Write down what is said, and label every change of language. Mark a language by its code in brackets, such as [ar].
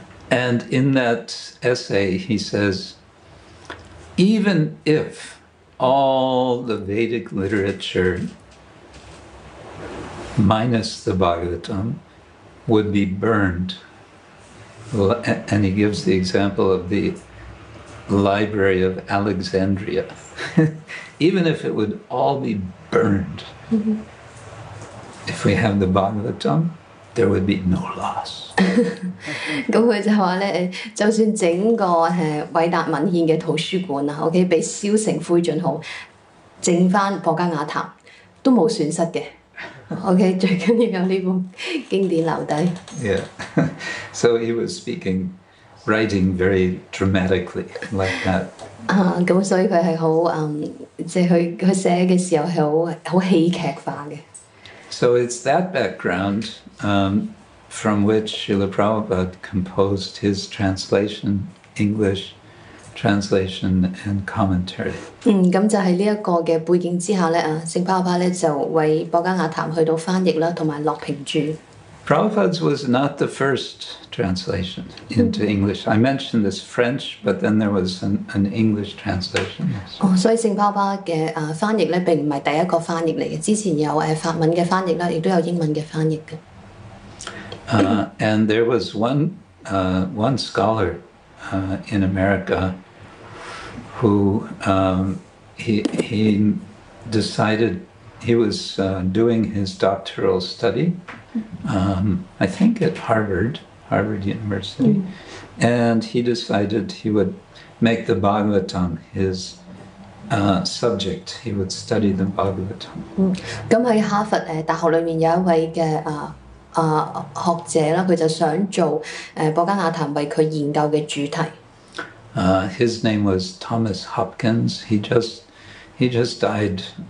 [en] And in that essay, he says, even if all the Vedic literature minus the Bhagavatam would be burned. Well, and he gives the example of the Library of Alexandria. Even if it would all be burned, if we have the Bhagavatam, there would be no loss. [yue] 咁佢就話咧，就算整個偉達文獻嘅圖書館啊 ，OK， 被燒成灰燼好，剩翻博加瓦潭都冇損失嘅。 OK， 最緊要有呢本經典留低。 [en] Yeah. So he was speaking, writing very dramatically like that. [yue] 咁所以佢係好即係佢寫嘅時候係好戲劇化嘅。 [en] So it's that background from which Srila Prabhupada composed his translation, English translation and commentary. [yue] 咁就係呢一個嘅背景之下咧，聖巴巴咧就為博加瓦潭去到翻譯啦，同埋落評注。 [en] Prabhupada's was not the first translation into English. I mentioned this French, but then there was an English translation. [yue] 哦，所以聖巴巴嘅翻譯咧，並唔係第一個翻譯嚟嘅。之前有法文嘅翻譯啦，亦都有英文嘅翻譯嘅。 [en] And there was one scholar in America who he decided he was doing his doctoral study. I think at Harvard University, and he decided he would make the Bhagavatam his subject. He would study the Bhagavatam. [yue] 咁喺哈佛大學裏面有一位嘅學者啦，佢就想做博加瓦潭為佢研究嘅主題。 [en] His name was Thomas Hopkins. He just died.